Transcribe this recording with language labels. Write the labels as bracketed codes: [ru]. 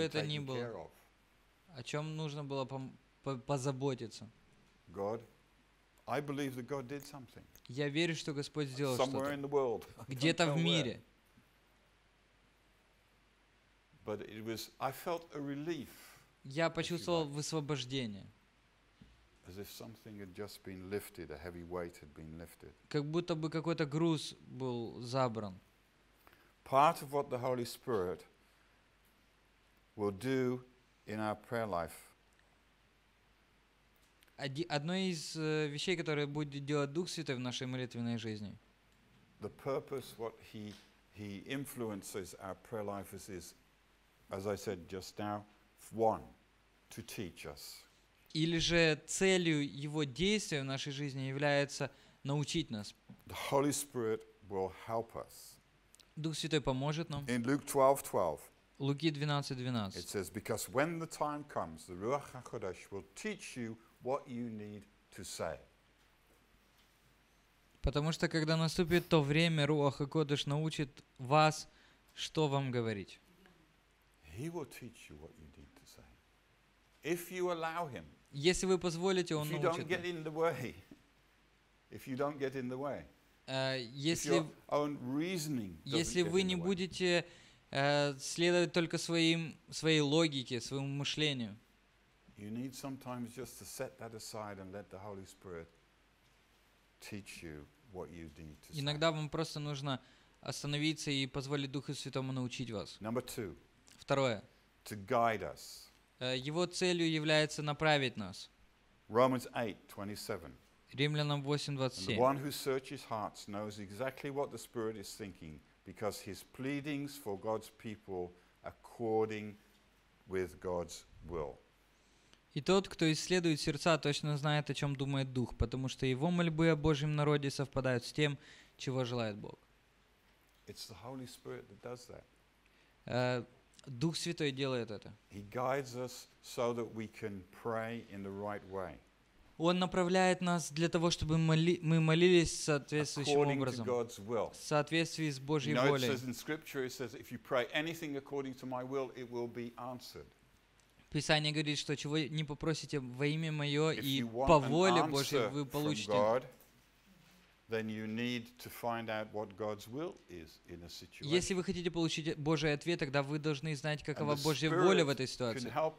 [ru] это ни было, о чем нужно было позаботиться. [en] God, I believe that God did something. [ru] Я верю, что Господь сделал [en] somewhere in the world. [ru] Где-то в мире. [en] But it was, I felt a relief. [ru] Я почувствовал высвобождение. [en] As if something had just been lifted, a heavy weight had been lifted. [ru] Как будто бы какой-то груз был забран. [en] Part of what the Holy Spirit will do in our prayer life. [ru] Одно из вещей, которые будет делать Дух Святой в нашей молитвенной жизни. [en] The purpose what he influences our prayer life is, is, as I said just now, one, to teach us. [ru] Или же целью его действия в нашей жизни является научить нас. [en] The Holy Spirit will help us. [ru] Дух Святой поможет нам. [en] In Luke 12:12. [ru] Луки 12:12. [en] It says, because when the time comes, the Ruach HaKodesh will teach you what you need to say. [ru] Потому что когда наступит то время, Руах Акодыш научит вас, что вам говорить. [en] He will teach you what you need to say. If you allow him. [ru] Если вы позволите, он научит. [en] If you don't get in the way. If you don't get in the way. [ru] Если [en] your own reasoning doesn't get in the way. [ru] Если вы не будете следовать только своей логике, своему мышлению. [en] You need sometimes just to set that aside and let the Holy Spirit teach you what you need to say. [ru] Иногда вам просто нужно остановиться и позволить Духу Святому научить вас. [en] Number two. [ru] Второе. [en] To guide us. [ru] Его целью является направить нас. [en] Romans 8:27. [ru] Римлянам 8:27. [en] The one who searches hearts knows exactly what the Spirit is thinking, because his pleadings for God's people according with God's will. [ru] И тот, кто исследует сердца, точно знает, о чем думает Дух, потому что его мольбы о Божьем народе совпадают с тем, чего желает Бог. [en] It's the Holy Spirit that does that. [ru] Дух Святой делает это. [en] He guides us so that we can pray in the right way. [ru] Он направляет нас для того, чтобы мы молились соответствующим образом. [en] According to God's will. [ru] В соответствии с Божьей волей. [en] You know, it says in Scripture, it says, if you pray anything according to my will, it will be answered. [ru] Писание говорит, что чего не попросите во имя Мое и по воле Божьей, вы получите. [en] If you want an answer from God, then you need to find out what God's will is in a situation. [ru] Если вы хотите получить Божий ответ, тогда вы должны знать, какова Божья воля в этой ситуации.